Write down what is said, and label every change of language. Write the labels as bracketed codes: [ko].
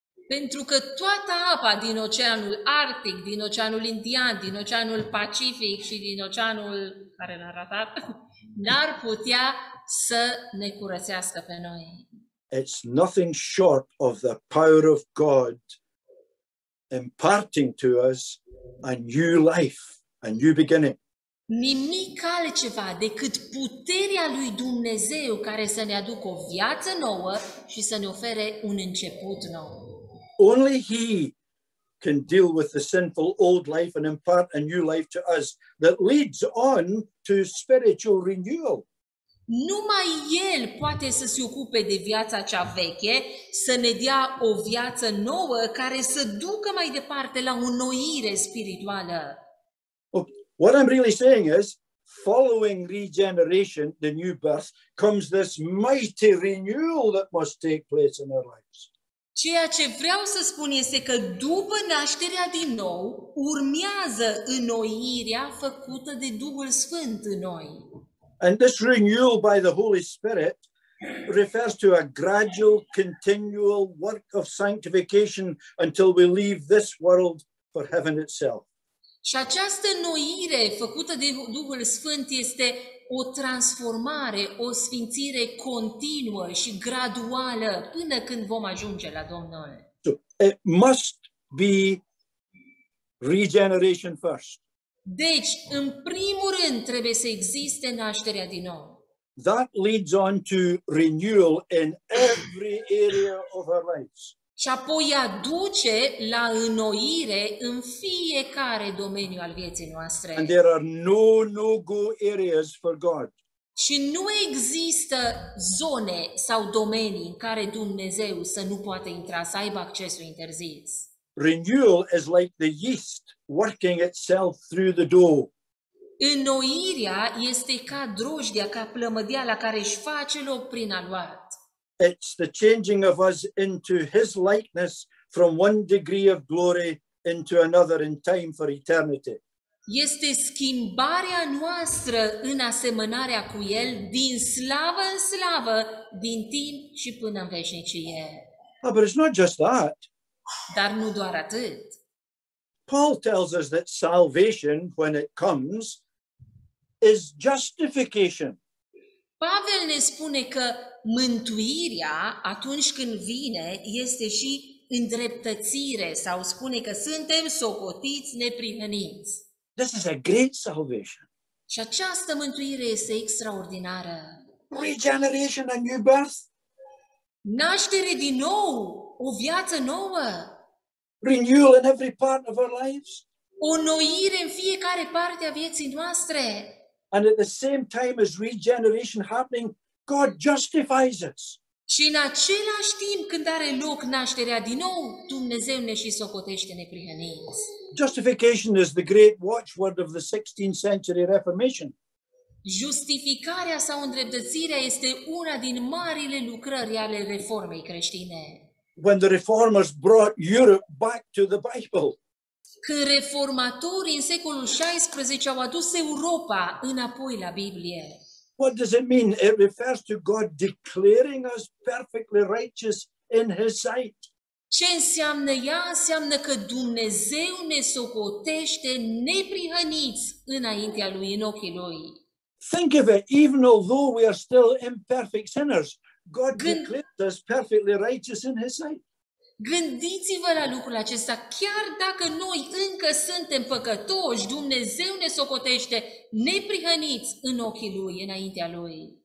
[ro] Pentru că toată apa din Oceanul Arctic, din Oceanul Indian, din Oceanul Pacific și din Oceanul care l-a ratat, n-ar putea să ne curățească pe noi. [en] It's nothing short of the power of God imparting to us a new life, a new beginning. [ro] Nimic altceva decât puterea lui Dumnezeu care să ne aducă o viață nouă și să ne ofere un început nou. [en] Only He can deal with the sinful old life and impart a new life to us that leads on to spiritual renewal. [ro] Numai El poate să se ocupe de viața cea veche, să ne dea o viață nouă care să ducă mai departe la o înnoire spirituală. [en] What I'm really saying is, following regeneration, the new birth, comes this mighty renewal that must take place in our lives. [ro] Ceea ce vreau să spun este că după nașterea din nou, urmează înnoirea făcută de Duhul Sfânt în noi. [en] And this renewal by the Holy Spirit refers to a gradual, continual work of sanctification until we leave this world for heaven itself. [ro] Și această înnoire făcută de Duhul Sfânt este o transformare, o sfințire continuă și graduală până când vom ajunge la Domnul. [en] So, it must be regeneration first. [ro] Deci, în primul rând, trebuie să existe nașterea din nou. [en] That leads on to renewal in every area of our lives. [ro] Și apoi aduce la înnoire în fiecare domeniu al vieții noastre. [en] And there are no no-go areas for God. [ro] Și nu există zone sau domenii în care Dumnezeu să nu poată intra, să aibă accesul interzis. [en] Renewal is like the yeast working itself through the dough. [ro] Înnoirea este ca drojdia, ca plămădeala care își face loc prin aluat. [en] It's the changing of us into His likeness from one degree of glory into another in time for eternity. [ro] Este schimbarea noastră în asemănarea cu El din slavă în slavă, din timp și până în veșnicie. [en] Oh, but it's not just that. [ro] Dar nu doar atât. [en] Paul tells us that salvation, when it comes, is justification. [ro] Pavel ne spune că mântuirea, atunci când vine, este și îndreptățire, sau spune că suntem socotiți neprihăniți. [en] This is a great salvation. [ro] Și această mântuire este extraordinară. [en] Regeneration, a new birth. [ro] Naștere din nou, o viață nouă. [en] Renewal in every part of our lives. [ro] O înnoire în fiecare parte a vieții noastre. [en] And at the same time as regeneration happening, God justifies us. [ro] Și în același timp când are loc nașterea din nou, Dumnezeu ne și socotește neprihăniți. [en] Justification is the great watchword of the 16th century Reformation. [ro] Justificarea sau îndreptățirea este una din marile lucrări ale reformei creștine. [en] When the reformers brought Europe back to the Bible. [ro] că reformatorii în secolul 16 au adus Europa înapoi la Biblie. [en] What does it mean? It refers to God declaring us perfectly righteous in his sight. [ro] Ce înseamnă ea? Înseamnă că Dumnezeu ne socotește neprihăniți înaintea lui, în ochii lui. [en] Think of it, even although we are still imperfect sinners, God declared us perfectly righteous in his sight. [ro] Gândiți-vă la lucrul acesta, chiar dacă noi încă suntem păcătoși, Dumnezeu ne socotește neprihăniți în ochii lui, înaintea lui.